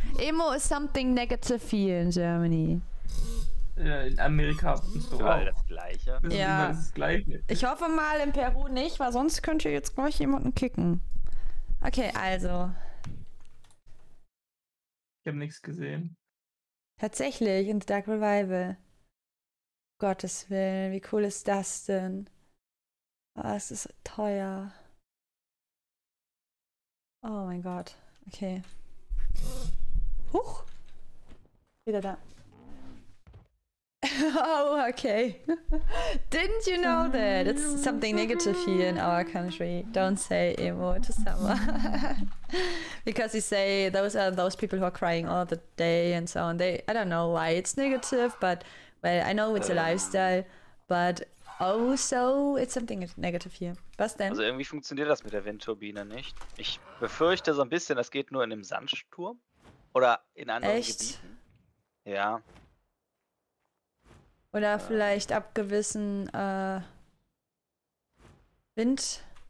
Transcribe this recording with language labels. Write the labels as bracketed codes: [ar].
[en] Emo is something negative here in Germany. [de] In Amerika so auch. Das Gleiche. Ich hoffe mal in Peru nicht, weil sonst könnte jetzt gleich jemanden kicken. Okay, also. Ich habe nichts gesehen. Tatsächlich, in The Dark Revival. Gottes Willen, wie cool ist das denn? Oh, es ist teuer. Oh mein Gott. Okay. Huch! Wieder da. [en] Oh, okay. Didn't you know that? It's something negative here in our country. Don't say emo to someone. Because you say those are those people who are crying all the day and so on. I don't know why it's negative, but, well, I know it's a lifestyle, but also it's something negative here. [de] Was denn? Also irgendwie funktioniert das mit der Windturbine nicht. Ich befürchte so ein bisschen, das geht nur in einem Sandsturm. Oder in anderen Gebieten. Ja. Oder vielleicht ab gewissen Wind.